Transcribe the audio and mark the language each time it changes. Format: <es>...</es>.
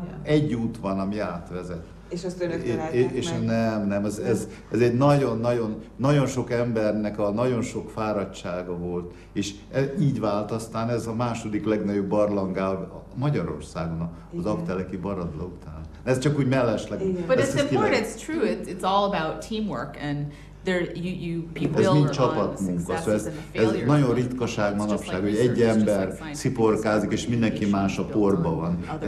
<hu>Egy út van, ami átvezet. És azt önöktől álltak meg? Nem, ez egy nagyon sok embernek a nagyon sok fáradtsága volt, és így vált aztán ez a második legnagyobb barlangá Magyarországon, az Akteleki Baradla után. Ez csak úgy mellesleg.</hu> <en>But it's important, it's true, it's all about teamwork, and there you build</en> <hu>ez mind csapatmunka, szóval ez nagyon ritkaság manapság, hogy egy ember sziporkázik, és mindenki más a porba van.</hu>